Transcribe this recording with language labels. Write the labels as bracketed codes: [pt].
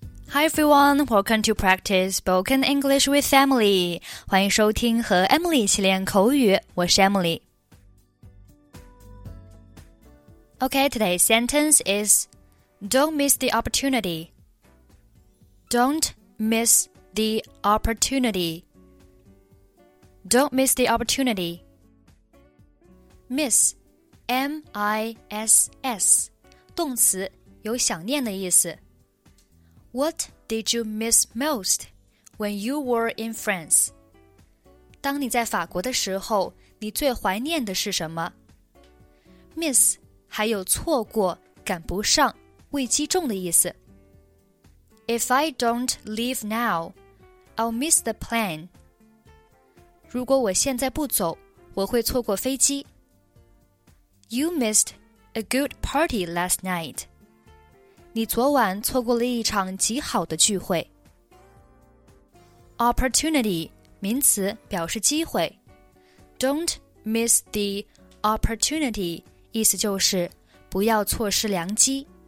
[en] Hi everyone, welcome to practice spoken English with Emily. [zh] 欢迎收听和 Emily 一起练口语，我是 Emily. [en] Okay, today's sentence is Don't miss the opportunity. Don't miss the opportunity. Don't miss the opportunity. [zh] Miss, M-I-S-S, 动词，有想念的意思。 [en] What did you miss most when you were in France? [zh] 当你在法国的时候，你最怀念的是什么？ Miss 还有错过、赶不上、未击中的意思。 [en] If I don't leave now, I'll miss the plane. [zh] 如果我现在不走，我会错过飞机。 [en] You missed a good party last night. [zh] 你昨晚错过了一场极好的聚会。Opportunity, 名词表示机会。 [en] Don't miss the opportunity, [zh] 意思就是不要错失良机。